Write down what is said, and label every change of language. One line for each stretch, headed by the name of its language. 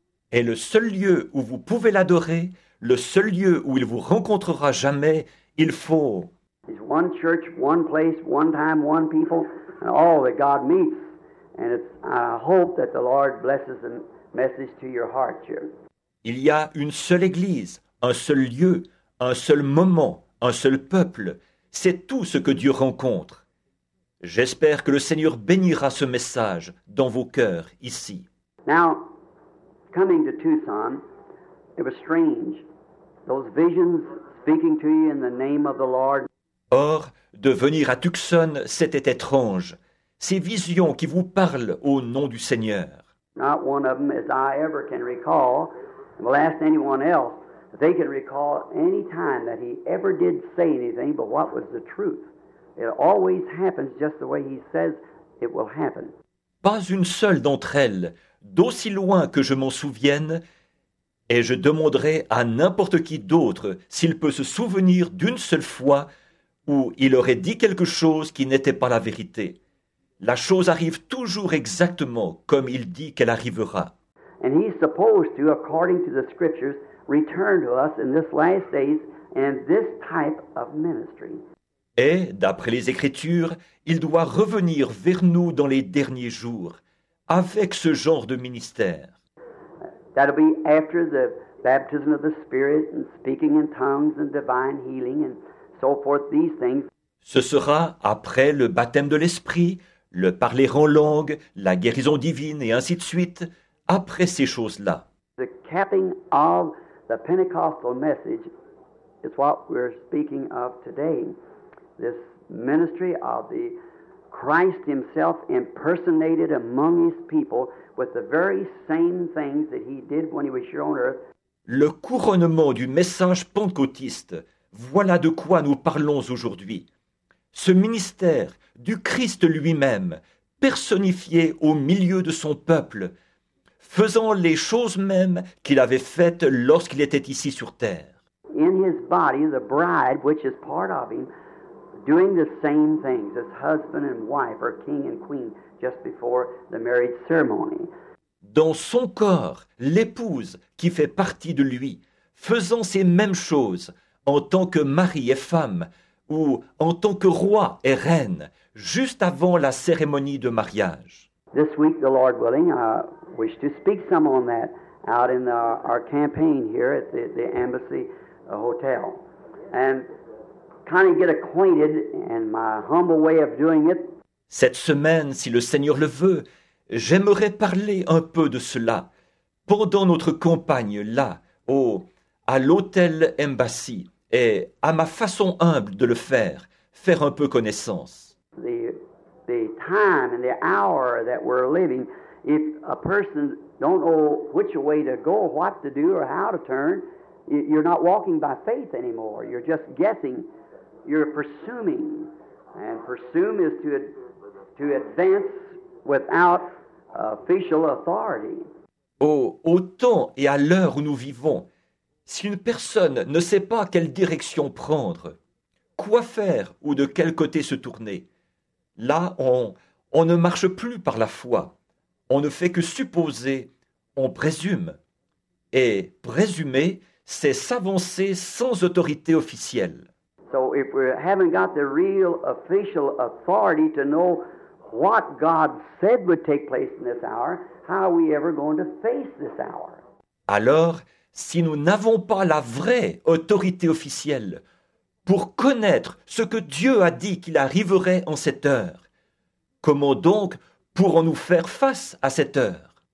French: Et le seul lieu où vous pouvez l'adorer, le seul lieu où il vous rencontrera jamais, il faut...
English: It's one church, one place, one time, one people, and all that God meets. And it's, I hope that the Lord blesses the message to your heart here.
French: Il y a une seule église, un seul lieu, un seul moment, un seul peuple. C'est tout ce que Dieu rencontre. J'espère que le Seigneur bénira ce message dans vos cœurs ici.
English: Now, coming to Tucson, it was strange. Those visions speaking to you in the name of the Lord.
French: Or, de venir à Tucson, c'était étrange. Ces visions qui vous parlent au nom du Seigneur.
English: Not one of them, as I ever can recall, will ask anyone else. They can recall any time that he ever did say anything, but what was the truth? It always happens just the way he says it will happen.
French: Pas une seule d'entre elles, d'aussi loin que je m'en souvienne, et je demanderai à n'importe qui d'autre s'il peut se souvenir d'une seule fois où il aurait dit quelque chose qui n'était pas la vérité. La chose arrive toujours exactement comme il dit qu'elle arrivera.
English: And he's supposed to, according to the scriptures, return to us in this last days and this type of ministry.
French: Et, d'après les Écritures, il doit revenir vers nous dans les derniers jours, avec ce genre de ministère.
English: That'll be after the baptism of the Spirit and speaking in tongues and divine healing and so forth, these things.
French: Ce sera après le baptême de l'Esprit, le parler en langue, la guérison divine et ainsi de suite, après ces choses-là.
English: The capping of the Pentecostal message is what we're speaking of today. This ministry of the Christ himself impersonated among his people with the very same things that he did when he was here on earth.
French: Le couronnement du message pentecôtiste, voilà de quoi nous parlons aujourd'hui. Ce ministère du Christ lui-même, personnifié au milieu de son peuple, faisant les choses mêmes qu'il avait faites lorsqu'il était ici sur terre.
English: In his body, the bride, which is part of him, doing the same things as husband and wife or king and queen just before the marriage ceremony.
French: Dans son corps, l'épouse qui fait partie de lui, faisant ces mêmes choses en tant que mari et femme ou en tant que roi et reine juste avant la cérémonie de mariage.
English: This week, the Lord willing, I wish to speak some on that out in our campaign here at the Embassy Hotel. And kind of get acquainted in my humble way of doing it.
French: Cette semaine, si le Seigneur le veut, j'aimerais parler un peu de cela pendant notre campagne là, à l'hôtel Embassy, et à ma façon humble de le faire un peu connaissance.
English: The time and the hour that we're living, if a person don't know which way to go, what to do, or how to turn, you're not walking by faith anymore. You're just guessing. You're presuming, and presume is to advance without official authority.
French: Au temps et à l'heure où nous vivons, si une personne ne sait pas quelle direction prendre, quoi faire ou de quel côté se tourner, là on ne marche plus par la foi, on ne fait que supposer, on présume. Et présumer, c'est s'avancer sans autorité officielle.
English: So if we haven't got the real official authority to know what God said would take place in this hour, how are we ever going to face this hour?
French: Alors, si nous n'avons pas la vraie autorité officielle pour connaître ce que Dieu a dit qu'il arriverait en cette heure, comment donc pourrons-nous faire face à cette heure?